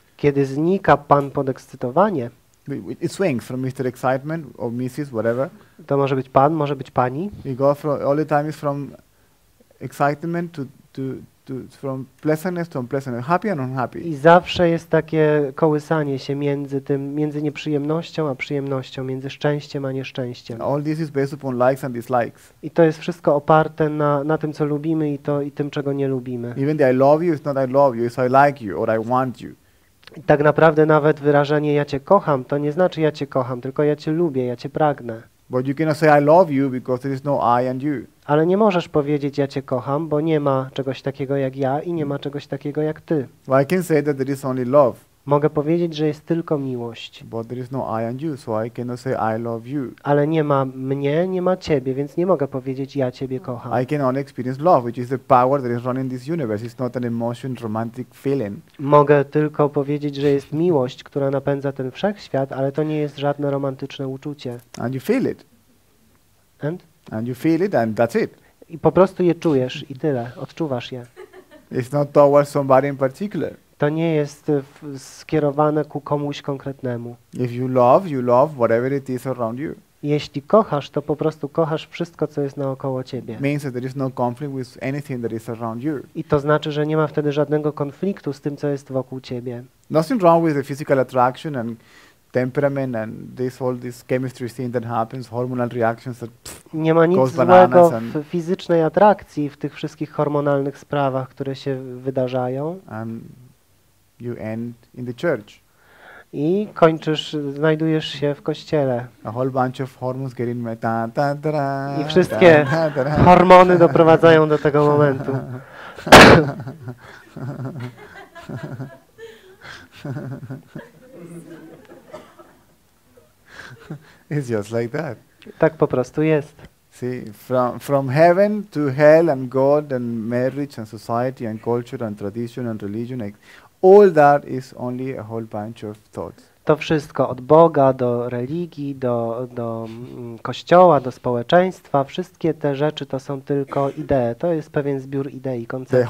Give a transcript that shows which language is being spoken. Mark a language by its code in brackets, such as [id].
[pl] kiedy znika pan podekscytowanie, [en] it swings from Mr. Excitement or Mrs. whatever. [pl] To może być pan, może być pani. [en] You go from all the time is from excitement to from pleasantness to unpleasantness, happy and unhappy. [pl] I zawsze jest takie kołysanie się między tym, między nieprzyjemnością a przyjemnością, między szczęściem a nieszczęściem. [en] And all this is based upon likes and dislikes. [pl] I to jest wszystko oparte na tym, co lubimy i to i tym, czego nie lubimy. [en] Even the I love you is not I love you, it's I like you or I want you. [pl] I tak naprawdę nawet wyrażenie ja cię kocham, to nie znaczy ja cię kocham, tylko ja cię lubię, ja cię pragnę. [en] But you cannot say I love you because there is no I and you. [pl] Ale nie możesz powiedzieć ja cię kocham, bo nie ma czegoś takiego jak ja i nie ma czegoś takiego jak ty. [en] Well, I can say that there is only love. [pl] Mogę powiedzieć, że jest tylko miłość. [en] But there is no I and you, so I cannot say I love you. [pl] Ale nie ma mnie, nie ma ciebie, więc nie mogę powiedzieć ja ciebie kocham. [en] I can only experience love, which is the power that is running this universe. It's not an emotion, romantic feeling. [pl] Mogę tylko powiedzieć, że jest miłość, która napędza ten wszechświat, ale to nie jest żadne romantyczne uczucie. [en] And you feel it. And? And you feel it, and that's it. [pl] I po prostu je czujesz i tyle, odczuwasz je. [en] It's not towards somebody in particular. [pl] To nie jest skierowane ku komuś konkretnemu. [en] If you love, you love whatever it is around you. [pl] Jeśli kochasz, to po prostu kochasz wszystko, co jest naokoło ciebie. [en] Means that there is no conflict with anything that is around you. [pl] I to znaczy, że nie ma wtedy żadnego konfliktu z tym, co jest wokół ciebie. [en] Nothing wrong with the physical attraction and temperament and this all this chemistry thing that happens, hormonal reactions that pff, [pl] nie ma nic złego w fizycznej atrakcji, w tych wszystkich hormonalnych sprawach, które się wydarzają. [en] And you end in the church. [pl] I kończysz, znajdujesz się w kościele. [en] A whole bunch of hormones getting me, ta, ta, ta, ta, [pl] i wszystkie ta, ta, ta, ta, ta. Hormony doprowadzają do tego momentu. [en] It's just like that. [pl] Tak po prostu jest. [en] See, from heaven to hell and God and marriage and society and culture and tradition and religion, like, all that is only a whole bunch of thoughts. [pl] To wszystko od Boga do religii, do kościoła, do społeczeństwa, wszystkie te rzeczy to są tylko idee. To jest pewien zbiór idei, koncepcji.